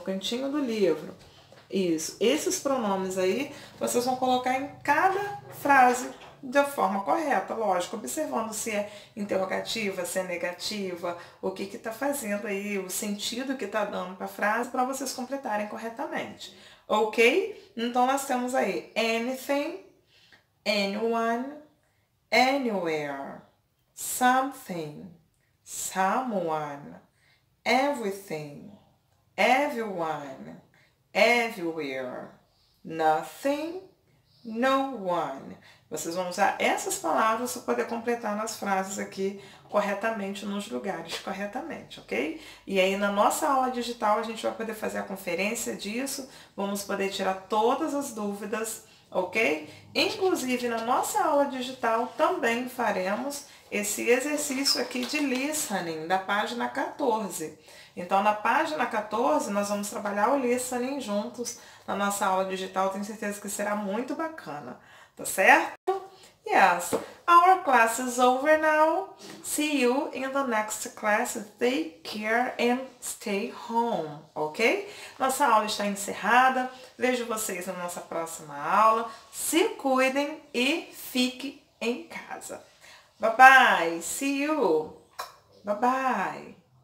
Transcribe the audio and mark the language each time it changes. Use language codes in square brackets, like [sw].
[pt] No cantinho do livro. Isso, esses pronomes aí vocês vão colocar em cada frase da forma correta, lógico, observando se é interrogativa, se é negativa, o que que está fazendo aí, o sentido que está dando para a frase, para vocês completarem corretamente. Ok? Então nós temos aí [en] anything, anyone, anywhere, something, someone, everything, everyone. Everywhere, nothing, no one. [pt] Vocês vão usar essas palavras para poder completar nas frases aqui corretamente, nos lugares corretamente, ok? E aí na nossa aula digital a gente vai poder fazer a conferência disso, vamos poder tirar todas as dúvidas, ok? Inclusive na nossa aula digital também faremos esse exercício aqui de listening, da página 14. Então, na página 14, nós vamos trabalhar o listening juntos na nossa aula digital. Tenho certeza que será muito bacana, tá certo? [en] Yes, our class is over now. See you in the next class. Take care and stay home, ok? [pt] Nossa aula está encerrada. Vejo vocês na nossa próxima aula. Se cuidem e fiquem em casa. [en] Bye bye. See you. Bye bye.